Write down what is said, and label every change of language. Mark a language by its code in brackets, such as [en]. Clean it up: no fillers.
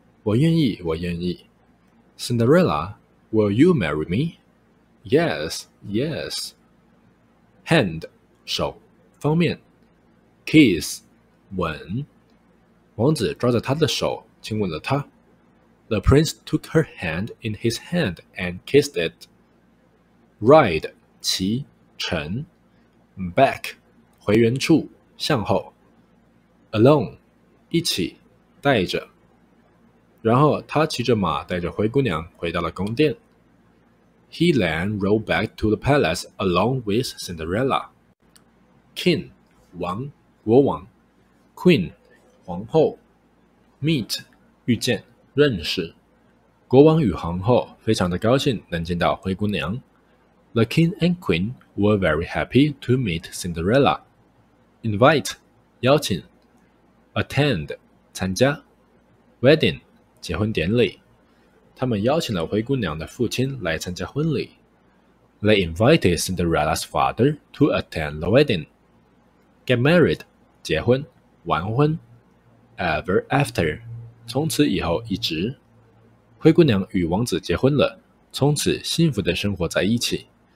[zh] 我愿意，我愿意。 [en] Cinderella, will you marry me? Yes, yes. Hand, 手，方便。 Kiss, 吻。 [zh] 王子抓着她的手，亲吻了她。 [en] The prince took her hand in his hand and kissed it. [zh] Ride, 骑、乘。Back, 回原处、向后。 Alone, 一起、带着。然后他骑着马带着灰姑娘回到了宫殿。 [en] He then rode back to the palace along with Cinderella. [zh] King, 王、国王。Queen, 皇后。 Meet, 遇见。认识，国王与皇后非常的高兴能见到灰姑娘。 [en] The king and queen were very happy to meet Cinderella. [zh] Invite, 邀请。Attend, 参加。 Wedding, 结婚典礼。他们邀请了灰姑娘的父亲来参加婚礼。 [en] They invited Cinderella's father to attend the wedding. [zh] Get married, 结婚、完婚。Ever after,从此以后一直，灰姑娘与王子结婚了，从此幸福地生活在一起。